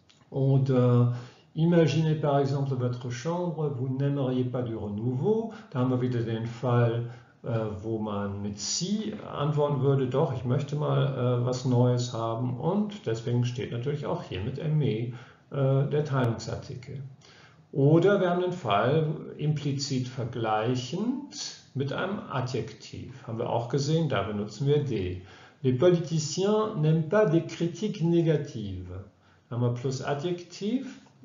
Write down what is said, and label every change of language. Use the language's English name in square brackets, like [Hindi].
[French] Oder imaginez par exemple votre chambre, vous n'aimeriez pas du renouveau. [German] Da haben wir wieder den Fall, wo man mit Sie antworten würde, doch, ich möchte mal was Neues haben. Und deswegen steht natürlich auch hier mit aimé der Teilungsartikel. Oder wir haben den Fall implizit vergleichend mit einem Adjektiv. Haben wir auch gesehen, da benutzen wir de. [French] Les politiciens n'aiment pas des critiques négatives. [German] Da haben wir plus Adjektiv.